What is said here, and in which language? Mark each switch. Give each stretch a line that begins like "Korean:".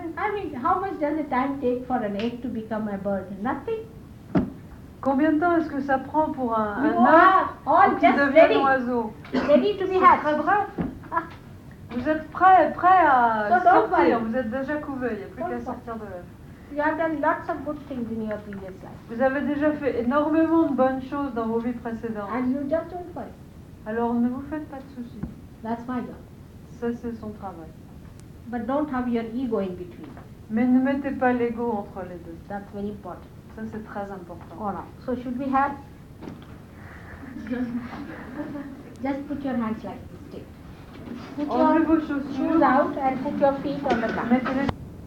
English: Thing. I mean, how much does the time take for an egg to become a bird? Nothing.
French: Combien de temps est-ce que ça prend pour un œuf un oiseau?
English: Ready to be hatched.
French: Très bref. Vous êtes prêt à
English: so
French: sortir. Vous êtes déjà couvert. Il n'y a plus qu'à sortir de l'œuf.
English: You have done lots of good things in your previous life.
French: Vous avez déjà fait énormément de bonnes choses dans vos vies précédentes.
English: And you just don't fight.
French: Alors ne vous faites pas de soucis.
English: That's my job.
French: Ça c'est son travail.
English: But don't have your ego in between.
French: Mais ne mettez pas l'ego entre les deux.
English: That's very important.
French: Ça c'est très important.
English: Voilà. So should we have? Just put your hands like this. Take. Put
French: Enlevez
English: your shoes out and put your feet on the ground.